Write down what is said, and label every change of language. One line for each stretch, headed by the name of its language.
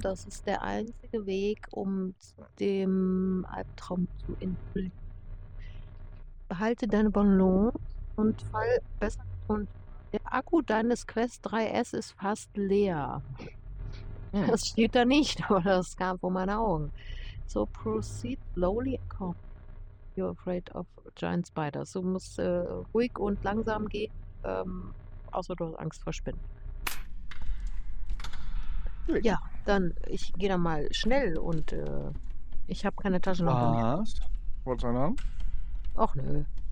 German: Das ist der einzige Weg, um dem Albtraum zu entfliehen. Behalte deine Bonbons und fall besser runter. Der Akku deines Quest 3S ist fast leer. Ja. Das steht da nicht, aber das kam vor meinen Augen.
English: So proceed slowly. You're afraid of giant spiders.
German: Du musst ruhig und langsam gehen, außer du hast Angst vor Spinnen. Ja, dann ich gehe da mal schnell und ich habe keine Tasche noch mehr. Was? Wolltest du einen haben? Ach nö.